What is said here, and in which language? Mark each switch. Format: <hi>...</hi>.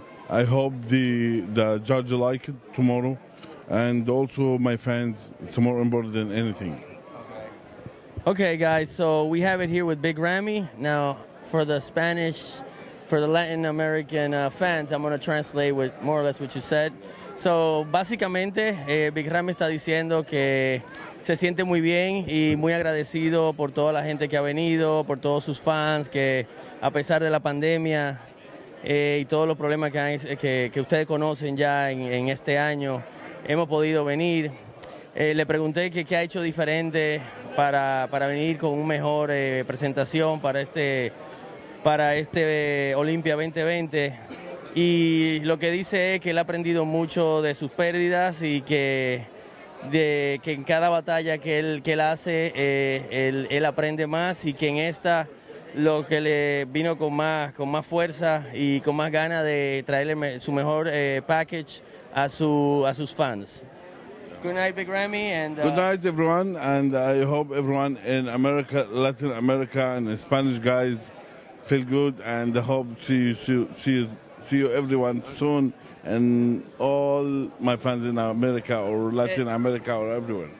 <en>I hope the judge like it tomorrow. And also my fans, it's more important than anything. Okay guys, so we have it here with Big Ramy. Now for the Spanish, for the Latin American fans, I'm gonna translate with more or less what you said.</en> <es>So básicamente, Big Ramy está diciendo que se siente muy bien y muy agradecido por toda la gente que ha venido, por todos sus fans, que a pesar de la pandemia y todos los problemas que ustedes conocen ya en este año, hemos podido venir. Le pregunté qué ha hecho diferente para venir con una mejor presentación para este Olympia 2020. Y lo que dice es que él ha aprendido mucho de sus pérdidas y que en cada batalla que él hace, él aprende más, y que en esta lo que le vino con más fuerza y con más ganas de traerle su mejor package a sus fans.</es> <en>Good night, Big Ramy. Good night, everyone. And I hope everyone in America, Latin America, and the Spanish guys feel good. And I hope see you everyone soon. And all my fans in America or Latin America or everywhere.</en>